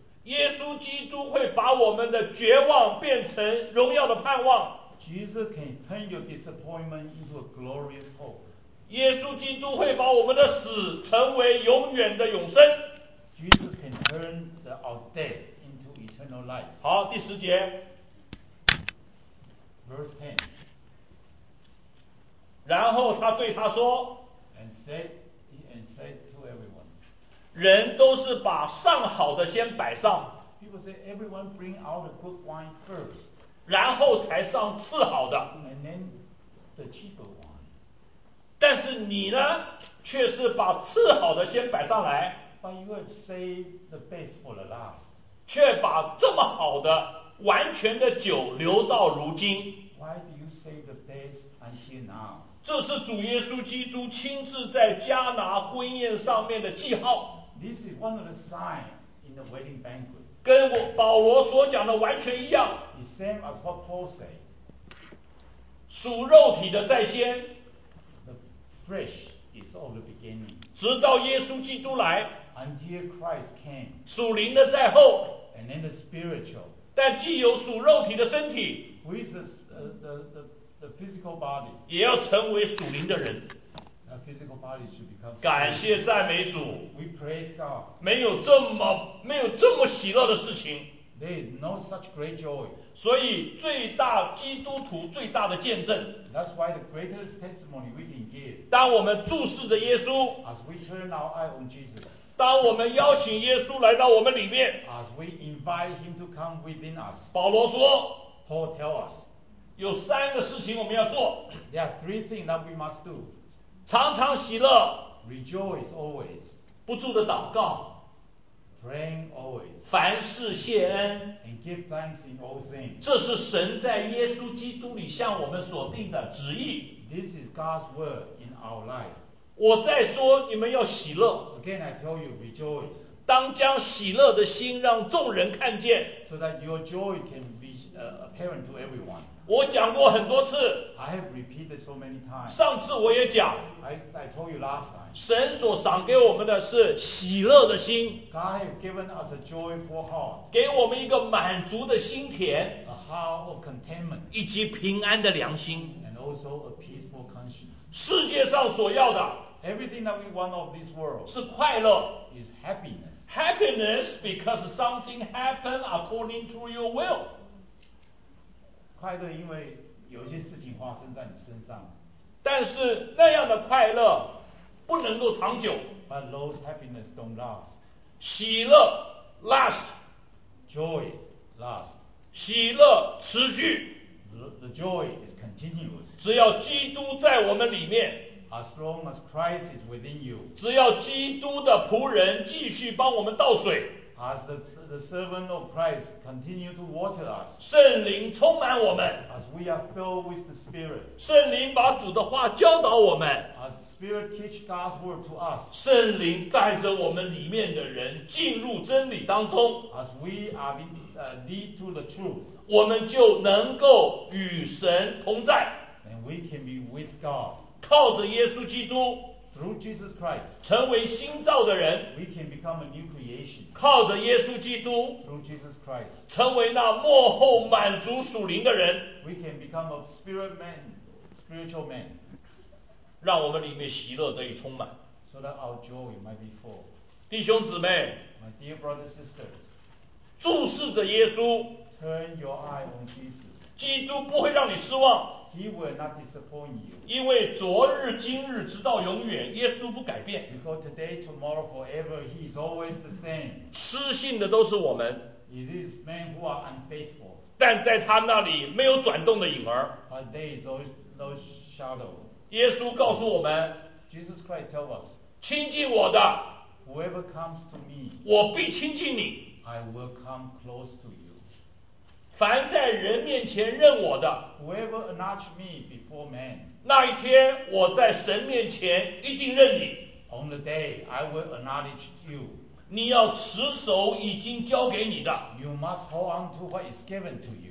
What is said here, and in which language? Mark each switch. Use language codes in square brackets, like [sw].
[zh] 耶稣基督会把我们的绝望变成荣耀的盼望。 [en] Jesus can turn your disappointment into a glorious hope. [zh] 耶稣基督会把我们的死成为永远的永生。 [en] Jesus can turn our death into eternal life. [zh] 好，第十节。 [en] Verse ten. [zh] 然后他对他说 [en] and said to everyone, [zh] 人都是把上好的先摆上 [en] People say everyone bring out the good wine first, [zh] 然后才上次好的 [en] and then the cheaper wine. [zh] 但是你呢却是把次好的先摆上来 [en] But you would save the best for the last. [zh] 却把这么好的完全的酒留到如今 [en] Why do you save the best until now? [zh] 这是主耶稣基督亲自在迦拿婚宴上面的记号。 [en] This is one of the signs in the wedding banquet. [zh] 跟我保罗所讲的完全一样。 [en] It's same as what Paul said. [zh] 属肉体的在先。 [en] The flesh is all the beginning. [zh] 直到耶稣基督来。 [en] Until Christ came. [zh] 属灵的在后。 [en] And then the spiritual. [zh] 但既有属肉体的身体。 [en] Which is the physical body, [zh] 也要成为属灵的人。 [en] The physical body should become. [zh] 感谢赞美主。 [en] We praise God. [zh] 没有这么喜乐的事情。 [en] There is no such great joy. [zh] 所以最大基督徒最大的见证。 [en] That's why the greatest testimony we can give. [zh] 当我们注视着耶稣。 [en] As we turn our eye on Jesus. [zh] 当我们邀请耶稣来到我们里面。 [en] As we invite him to come within us. [zh] 保罗说。 [en] Paul tell us. [zh] 有三个事情我们要做。 [en] There are three things that we must do. [zh] 常常喜乐。 [en] Rejoice always. [zh] 不住的祷告。 [en] Praying always. [zh] 凡事谢恩。 [en] And give thanks in all things. [zh] 这是神在耶稣基督里向我们所定的旨意。 [en] This is God's word in our life. [zh] 我再说你们要喜乐。 [en] Again, I tell you, rejoice. [zh] 当将喜乐的心让众人看见。 [en] So that your joy can be apparent to everyone. [zh] 我讲过很多次 [en] I have repeated so many times. [zh] 上次我也讲 [en] I told you last time. [zh] 神所赏给我们的是喜乐的心 [en] God has given us a joyful heart. [zh] 给我们一个满足的心田 [en] A heart of contentment. [zh] 以及平安的良心 [en] And also a peaceful conscience. [zh] 世界上所要的 [en] Everything that we want of this world [zh] 是快乐 [en] Is happiness. Happiness because something happened according to your will. [zh] 快乐因为有些事情发生在你身上但是那样的快乐不能够长久 [en] But those happiness don't last [zh] 喜乐 [en] last joy last [zh] 喜乐持续 [en] the joy is continuous [zh] 只要基督在我们里面 [en] as long as Christ is within you [zh] 只要基督的仆人继续帮我们倒水 [en] As the servant of Christ continue to water us, [zh] 圣灵充满我们。 [en] As we are filled with the Spirit, [zh] 圣灵把主的话教导我们。 [en] As Spirit teach God's word to us, [zh] 圣灵带着我们里面的人进入真理当中。 [en] As we are lead to the truth, [zh] 我们就能够与神同在。 [en] And we can be with God, [zh] 靠着耶稣基督。 [en] Through Jesus Christ, [zh] 成为新造的人 [en] we can become a new creation, [zh] 靠着耶稣基督 [en] through Jesus Christ, [zh] 成为那末后满足属灵的人 [en] we can become a spirit man, spiritual man, [zh] 让我们里面喜乐得以充满 [en] so that our joy might be full. [zh] 弟兄姊妹 [en] my dear brothers and sisters, [zh] 注视着耶稣 [en] turn your eye on Jesus, [zh] 基督不会让你失望 [en] He will not disappoint you. [zh] 因为昨日今日直到永远耶稣不改变 [en] Because today, tomorrow, forever, he is always the same. [zh] 失信的都是我们 [en] It is men who are unfaithful. [zh] 但在他那里没有转动的影儿。 [en] But there is no shadow. [zh] 耶稣告诉我们。 [en] Jesus Christ tells us. [zh] 亲近我的。 [en] Whoever comes to me. [zh] 我必亲近你。 [en] I will come close to you. [zh] 凡在人面前认我的。 [en] Whoever acknowledges me before man. [zh] 那一天我在神面前一定认你。 [en] On the day I will acknowledge you. [zh] 你要持守已经交给你的。 [en] You must hold on to what is given to you.